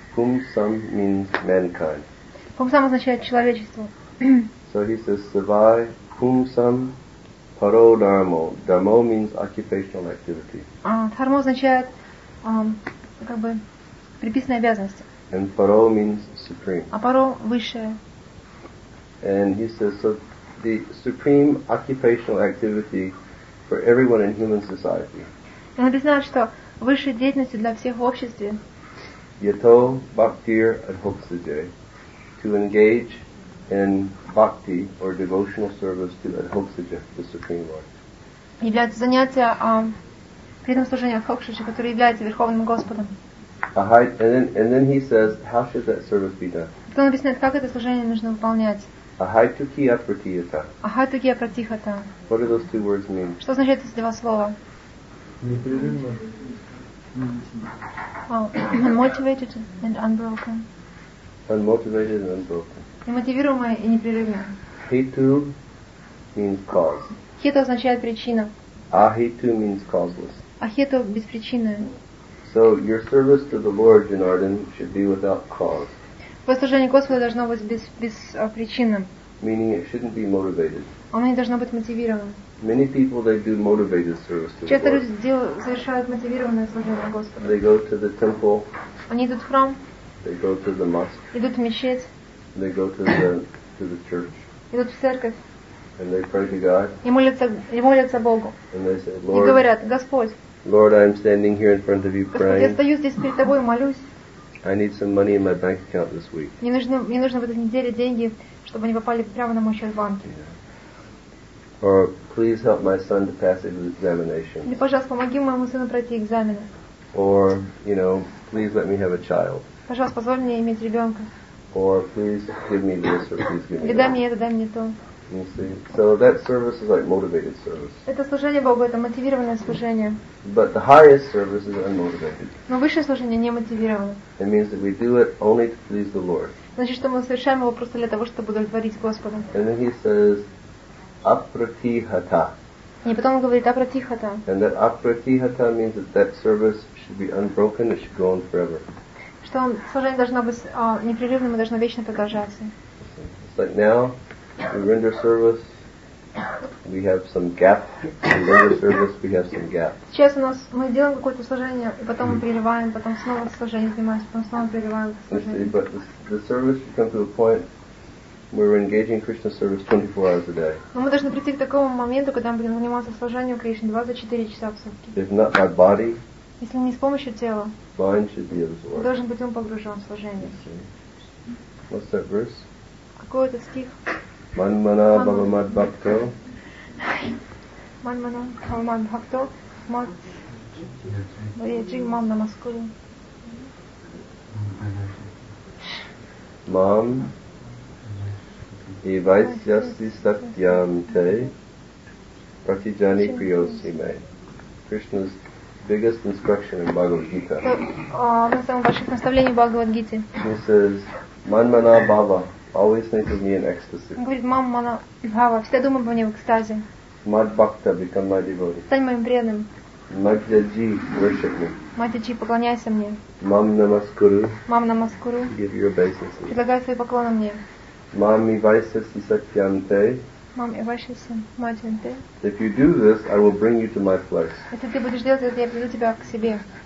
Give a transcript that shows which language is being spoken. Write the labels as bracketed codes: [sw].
[en] Pumsam means mankind. [ru] Pumsam означает человечество. [en] So he says Savai Pumsam Paro Dharma. Dharma means occupational activity. [ru] Dharma означает как бы приписанные обязанности. [en] And paro means supreme. [ru] А паро высшее. [en] And he says so the supreme occupational activity for everyone in human society. [ru] Он объясняет, что высшей деятельностью для всех в обществе. [sa] Yato bhaktir adhoksaje. [en] To engage in bhakti or devotional service to adhoksaje, the supreme lord. [ru] Является занятие преданным служением адхокшаджи, который является верховным господом. [en] And then he says, how should that service be done? [ru] Он объясняет, как это служение нужно выполнять. [sa] Ахайтуки апратихата. Ахайтуки апратихата. [en] What do those two words mean? [ru] Что значит эти два слова? Непрерывно. [en] Unmotivated and unbroken. Unmotivated and unbroken. [ru] Немотивируемое и непрерывное. [en] Хиту means cause. [ru] Хиту означает причина. [en] Ахиту means causeless. [ru] Ахиту беспричинное. [en] So your service to the Lord, Janardhan, should be without cause. [ru] Ваше служение Господу должно быть без причины. [en] Meaning it shouldn't be motivated. [ru] Оно не должно быть мотивировано. [en] Many people they do motivated service to the Lord. [ru] Часто люди совершают мотивированное служение Господу. [en] They go to the temple. [ru] Они идут в храм. [en] They go to the mosque. [ru] Идут в мечеть. [en] They go to the church. [ru] Идут в церковь. [en] And they pray to God. [ru] И молятся Богу. [en] And they say, Lord. [ru] И говорят, Господь. [en] Lord, I'm standing here in front of you praying. [ru] Я стою здесь перед тобой и молюсь. [en] I need some money in my bank account this week. [ru] Мне нужно в этой неделе деньги, чтобы они попали прямо на мой счет в банке. [en] Yeah. Or please help my son to pass his examination. [ru] Или, пожалуйста, помоги моему сыну пройти экзамены. [en] Or, you know, please let me have a child. [ru] Пожалуйста, позволь мне иметь ребенка. [en] Or please give me this or please give me that. [ru] Дай мне это, дай мне то. [en] You see, so that service is like motivated service. [ru] Это служение Богу, это мотивированное служение. [en] But the highest service is unmotivated. [ru] Но высшее служение не мотивировано. [en] It means that we do it only to please the Lord. [ru] Значит, что мы совершаем его просто для того, чтобы удовлетворить Господа. [en] And then he says, апратихата. [ru] И потом он говорит апратихата. [en] And that апратихата means that that service should be unbroken. It should go on forever. [ru] Что служение должно быть непрерывным и должно вечно продолжаться. [en] It's like now. We render service. We have some gap. We render service. We have some gap. [ru] Сейчас у нас мы делаем какое-то служение, и потом мы прерываем, потом снова служение занимаемся, потом снова прерываем служение. [en] But the service should come to a point where we're engaging Krishna service 24 hours a day. [ru] Но мы должны прийти к такому моменту, когда мы будем заниматься служением Кришне 24 часа в сутки. [en] If not by body. [ru] Если не с помощью тела. [en] Mind should be absorbed. [ru] Мы должны быть погружены в служение. [en] What's that verse? [ru] Какой это стих? [sa] Манмана бхавамад бхакто. Манмана бхавамад бхакто. Мат. Ваяджи мам намаскуру. Мам. Ивайсьяси сатьям те. Пратиджани приоси ме. [en] Krishna's biggest instruction in Bhagavad Gita. [ru] Одно из самых больших наставлений в Бхагавад Гите. [en] He says, [sa] Манмана бхава. [en] Always think of me in ecstasy. [ru] Говорит, [sa] мама, мана, бхава, [ru] всегда думай обо мне в экстазе. [sa] Мад бхакта, [en] become my devotee. [ru] Стань моим преданным. [en] Маджаджи, worship me. [ru] Маджаджи, поклоняйся мне. [sa] Мам намаскуру. Мам намаскуру. [en] Give your obeisances. [ru] Предлагай свои поклоны мне. [sa] Мам ивайсаси сатьянте. Мам ивайсаси матьянте. [en] If you do this, I will bring you to my place. [ru] Если ты будешь делать это, я приведу тебя к себе.